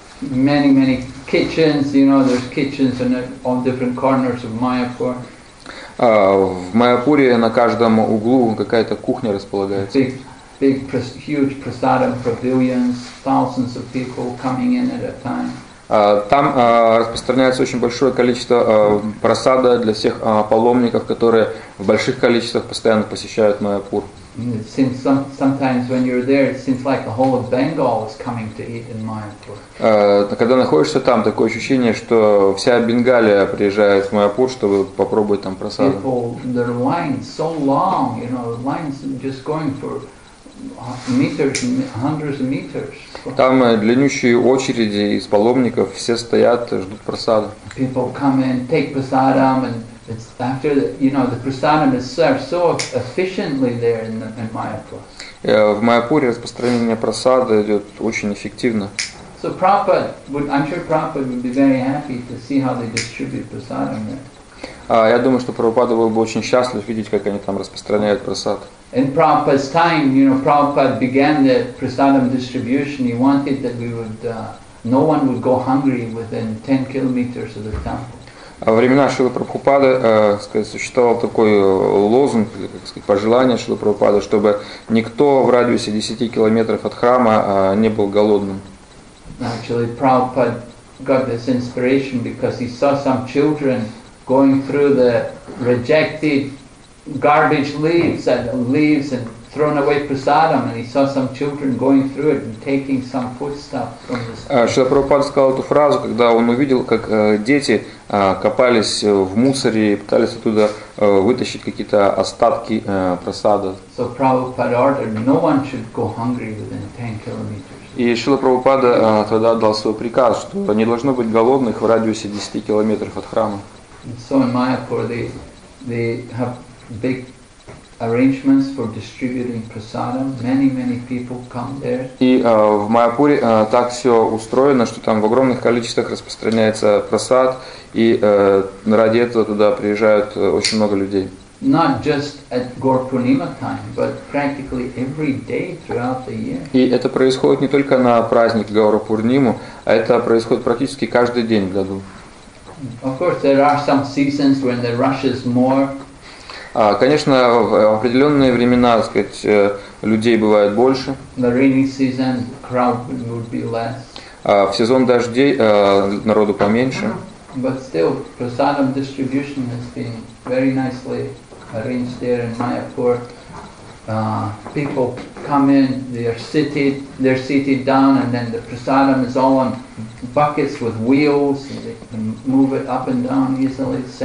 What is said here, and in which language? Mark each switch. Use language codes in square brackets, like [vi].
[en] Many kitchens, you know, there's kitchens in all different corners of Mayapur. [ru] В Майяпуре на каждом углу какая-то кухня располагается. [en] Big, huge prasadam pavilions, thousands of people coming in at a time. [ru] Там распространяется очень большое количество прасада для всех паломников, которые в больших количествах постоянно посещают Майяпур. [en] Sometimes when you're there, it seems like the whole of Bengal is coming to eat in Mayapur. [ru] Когда находишься там, такое ощущение, что вся Бенгалия приезжает в Майяпур, чтобы попробовать там прасад. [en] People, their lines so long, you know, lines just going for meters, hundreds of meters. [ru] Там длиннющие очереди из паломников, все стоят, ждут прасада. [en] People come in, take prasadam, and it's after the prasadam is served so efficiently there in Mayapur. [ru] в Майяпуре распространение прасада идет очень эффективно. [en] So Prabhupada would, I'm sure Prabhupada would be very happy to see how they distribute prasadam. [ru] Я думаю, что Прабхупада был бы очень счастлив видеть, как они там распространяют прасад. [en] In Prabhupada's time, you know, Prabhupada began the prasadam distribution. He wanted that we would, no one would go hungry within 10 kilometers of the temple. [ru] Во времена Шрилы Прабхупады существовал такой лозунг, пожелание Шрилы Прабхупады, чтобы никто в радиусе 10 километров от храма не был голодным. [en] Actually, Prabhupada got this inspiration because he saw some children going through the rejected garbage leaves and thrown away prasadam, and he saw some children going through it and taking some foodstuff from this. [ru] Шрила Прабхупада сказал эту фразу, когда он увидел, как дети копались в мусоре и пытались оттуда вытащить какие-то остатки прасада. [en] So Prabhupada ordered no one should go hungry within 10 kilometers. [ru] И Шрила Прабхупада тогда дал свой приказ, что не должно быть голодных в радиусе 10 километров от храма. [en] So in Mayapur they have big arrangements for distributing prasadam. Many people come there. [ru] И в Майяпуре так все устроено, что там в огромных количествах распространяется прасад, и ради этого туда приезжают очень много людей. [en] Not just at Gaur Purnima time, but practically every day throughout the year. [ru] И это происходит не только на праздник Гаур Пурниму, а это происходит практически каждый день в году. [en] Of course, there are some seasons when the rush is more. [ru] Конечно, в определенные времена, людей бывает больше. [en] The rainy season, crowd would be less. [ru] В сезон дождей народу поменьше. [en] But still, prasadam distribution has been very nicely arranged there in Mayapur. People come in, they're seated down, and then the prasadam is all on buckets with wheels, and they can move it up and down easily.